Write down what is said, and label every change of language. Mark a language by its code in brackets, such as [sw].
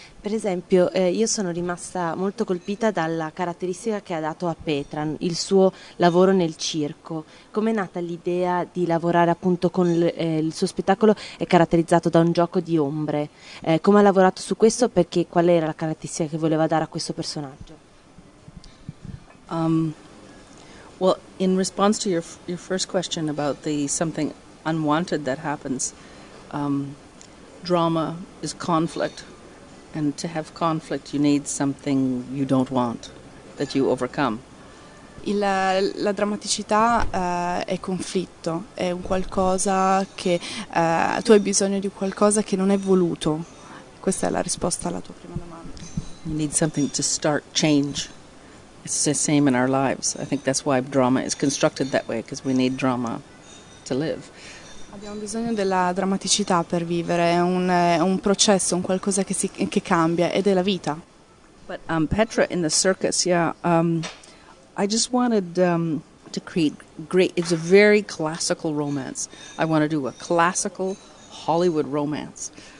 [it] Per esempio, io sono rimasta molto colpita dalla caratteristica che ha dato a Petran, il suo lavoro nel circo. Com'è nata l'idea di lavorare appunto con il suo spettacolo è caratterizzato da un gioco di ombre? Come ha lavorato su questo? Perché qual era la caratteristica che voleva dare a questo personaggio? [en] Well, in response to your first question about the something unwanted that happens, drama is conflict, and to have conflict you need something you don't want that you overcome. [it] La drammaticità, è conflitto, è un qualcosa che tu hai bisogno di qualcosa che non è voluto. Questa è la risposta alla tua prima domanda. [en] You need something to start change. It's the same in our lives. I think that's why drama is constructed that way, because we need drama to live. [it] Abbiamo bisogno della drammaticità per vivere, è un processo, un qualcosa che cambia ed è la vita. [en] But Petra in the circus, I just wanted to create great. It's a very classical romance. I want to do a classical Hollywood romance.